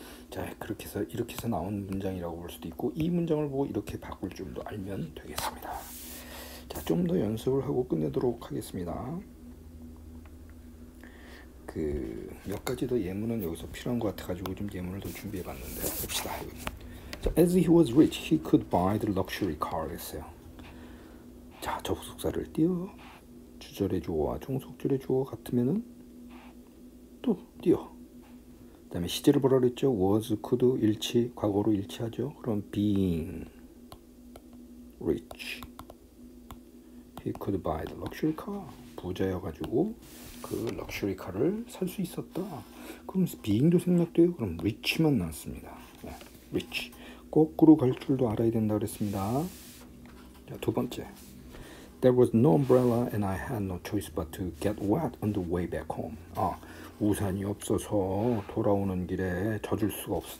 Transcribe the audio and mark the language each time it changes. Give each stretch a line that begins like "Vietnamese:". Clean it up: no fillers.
Korean: 자, 그렇게 해서 이렇게 해서 나온 문장이라고 볼 수도 있고 이 문장을 보고 이렇게 바꿀 줄도 알면 되겠습니다. 자, 좀 더 연습을 하고 끝내도록 하겠습니다. 그 몇 가지 더 예문은 여기서 필요한 것 같아가지고 좀 예문을 더 준비해봤는데 봅시다.
English: As he was rich, he could buy the luxury car.
Korean: 했어요. 자, 접속사를 띄어 주절의 주어와 종속절의 주어 같으면은 또 띄어. 그 다음에 시제를 보라 그랬죠. was, could, 일치, 과거로 일치하죠. 그럼
English: being rich, he could buy the luxury car.
Korean: 부자여가지고 그 luxury car를 살 수 있었다. 그럼 being도 생략돼요. 그럼 rich만 남습니다. 네, rich. 거꾸로 갈 줄도 알아야 된다 그랬습니다. 자, 두 번째.
English: There was no umbrella and I had no choice but to get wet on the way back home.
Korean: 아, 우산이 없어서 돌아오는 길에 젖을 수가 없어.